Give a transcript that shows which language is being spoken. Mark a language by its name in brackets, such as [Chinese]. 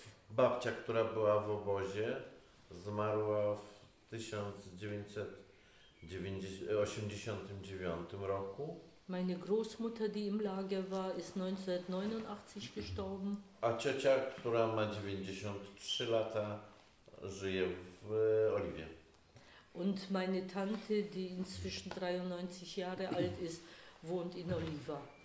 [Polish] Babcia, która była w obozie, zmarła w 1990 89 roku. [German] Meine Großmutter, die im Lager war, ist 1989 gestorben. [Polish] A ciocia, która ma 93 lata, żyje w Oliwie. [German] Und meine Tante, die inzwischen 93 Jahre alt ist, wohnt in Oliwa.